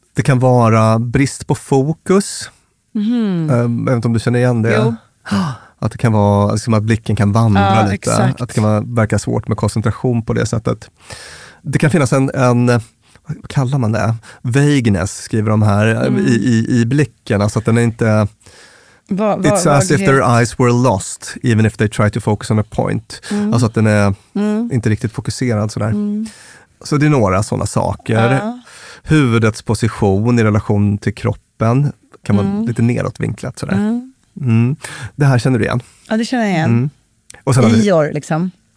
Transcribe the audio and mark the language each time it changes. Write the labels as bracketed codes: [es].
[sv] Det kan vara brist på fokus. Jag vet inte om du känner igen det. Jo. Att det kan vara liksom att blicken kan vandra lite. Exakt. Att det kan verka svårt med koncentration på det sättet. Det kan finnas en vad kallar man det? Vagueness, skriver de här, i blicken. Alltså att den är inte... [en] It's as if their eyes were lost, even if they try to focus on a point. [sv] Alltså att den är inte riktigt fokuserad sådär. Så det är några sådana saker. Huvudets position i relation till kroppen kan vara lite nedåtvinklat sådär. Det här känner du igen. Ja, det känner jag igen. Och sen Ior, liksom.